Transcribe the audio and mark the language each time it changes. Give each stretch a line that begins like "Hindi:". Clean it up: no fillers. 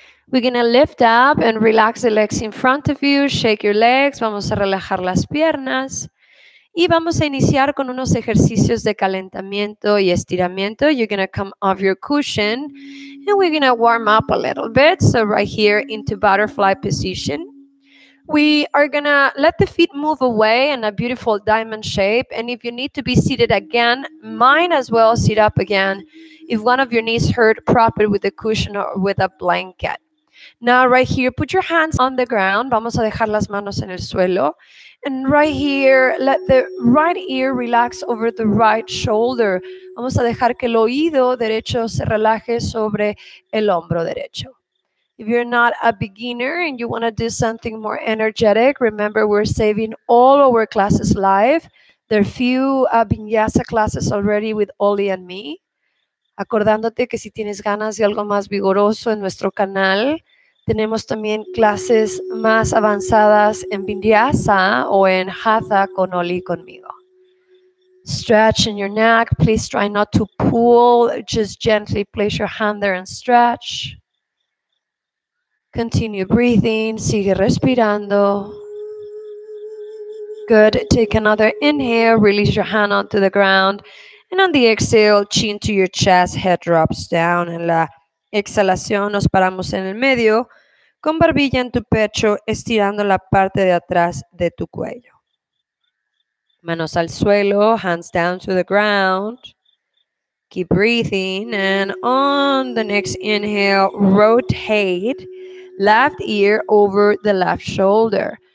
English: We're going to lift up and relax the legs in front of you. Shake your legs.
Spanish: Vamos a relajar las piernas. Y vamos a iniciar con unos ejercicios de calentamiento y estiramiento.
English: You're going to come off your cushion. And we're going to warm up a little bit. So right here into butterfly position. We are going to let the feet move away in a beautiful diamond shape. And if you need to be seated again, might as well sit up again. If one of your knees hurt, prop it with a cushion or with a blanket. Now, right here, put your hands on the ground.
Spanish: Vamos a dejar las manos en el suelo.
English: And right here, let the right ear relax over the right shoulder.
Spanish: Vamos a dejar que el oído derecho se relaje sobre el hombro derecho.
English: If you're not a beginner and you want to do something more energetic, remember we're saving all our classes live. There are few vinyasa classes already with Oli and me.
Spanish: Acordándote que si tienes ganas de algo más vigoroso en nuestro canal, tenemos también clases más avanzadas en vinyasa o en hatha con Oli y conmigo.
English: Stretch in your neck. Please try not to pull. Just gently place your hand there and stretch. Continue breathing.
Spanish: Sigue respirando.
English: Good. Take another inhale. Release your hand onto the ground. And on the exhale, chin to your chest. Head drops down.
Spanish: En la exhalación, nos paramos en el medio. Con barbilla en tu pecho, estirando la parte de atrás de tu cuello. Manos al suelo,
English: hands down to the ground. Keep breathing. And on the next inhale, rotate left ear over the left shoulder.